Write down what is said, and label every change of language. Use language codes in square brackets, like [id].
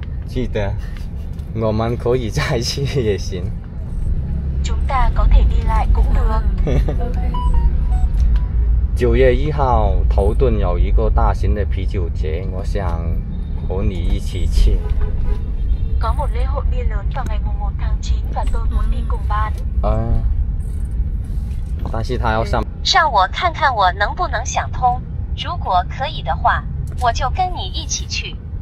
[zh] 记得，我们可以再去也行。 [vi] chúng ta có thể đi lại cũng được。 [zh] 9月1号，头顿有一个大型的啤酒节，我想和你一起去。 [vi] có một lễ hội bia lớn vào ngày 1 tháng 9 và tôi muốn đi cùng bạn。 [zh] 但是他要上。让我看看我能不能想通，如果可以的话，我就跟你一起去。